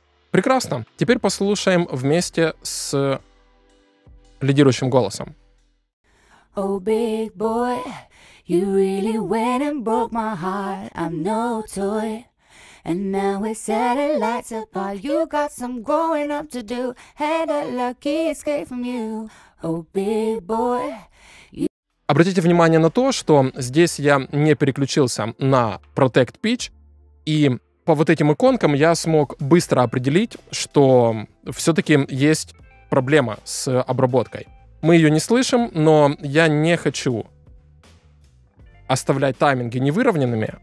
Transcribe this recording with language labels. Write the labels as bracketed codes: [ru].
[ru] Прекрасно. Теперь послушаем вместе с лидирующим голосом. [en] Oh, big boy, you really went and broke my heart. I'm no toy, and now we set our lights apart. You got some growing up to do, had a lucky escape from you. Oh, big boy. [ru] Обратите внимание на то, что здесь я не переключился на Protect Pitch, и по вот этим иконкам я смог быстро определить, что все-таки есть проблема с обработкой. Мы ее не слышим, но я не хочу оставлять тайминги невыровненными.